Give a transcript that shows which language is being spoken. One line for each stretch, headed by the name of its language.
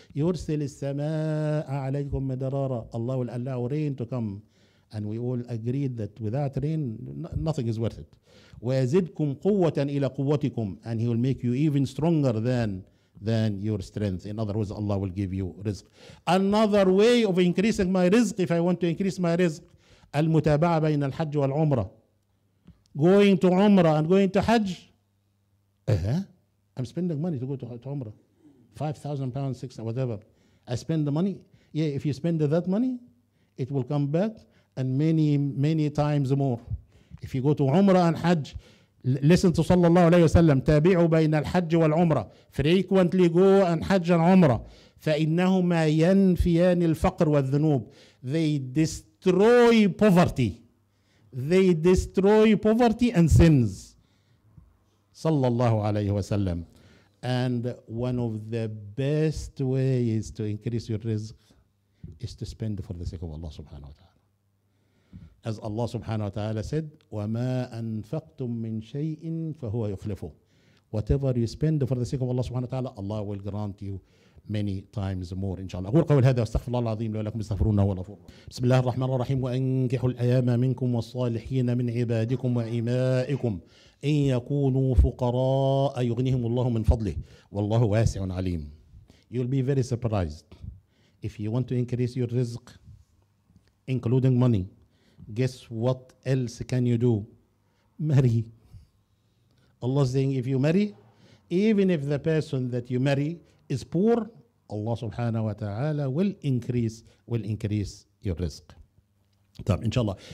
Arabic: يرسل السماء عليكم مدرارا.
English: Allah will allow rain to come. And we all agreed that without rain, nothing is worth it.
Arabic: ويزدكم قوة إلى قوتكم.
English: And he will make you even stronger than your strength. In other words, Allah will give you rizq. Another way of increasing my rizq, if I want to increase my rizq,
Arabic: المتابعة بين الحج والعمرة.
English: Going to Umrah and going to Hajj. I'm spending money to go to Umrah. 5,000 pounds, six, whatever. I spend the money. Yeah, if you spend that money, it will come back and many, many times more. If you go to Umrah and Hajj, listen to Sallallahu Alaihi Wasallam.
Arabic: تابعوا بين الحج والعمرة.
English: Frequently go and Hajj and Umrah.
Arabic: فإنهما ينفيان الفقر والذنوب.
English: They destroy poverty. They destroy poverty and sins.
Arabic: Sallallahu alayhi wa sallam.
English: And one of the best ways to increase your rizq is to spend for the sake of Allah subhanahu wa ta'ala. As Allah subhanahu wa ta'ala said,
Arabic: وَمَا أَنْفَقْتُمْ مِنْ شَيْءٍ فَهُوَ يُخْلِفُهُ.
English: Whatever you spend for the sake of Allah subhanahu wa ta'ala, Allah will grant you many times more, inshallah.
Arabic: أقول قول هذا واستغفر الله العظيم لي ولكم استغفرونه والغفور. بسم الله الرحمن الرحيم. وأنكحوا الأيام منكم والصالحين من عبادكم وإمائكم إن يكونوا فقراء يغنيهم الله من فضله والله واسع عليم.
English: You'll be very surprised. If you want to increase your rizq, including money, guess what else can you do? Marry. Allah is saying, if you marry, even if the person that you marry is poor, Allah subhanahu wa ta'ala will increase your rizq. طيب, inshallah.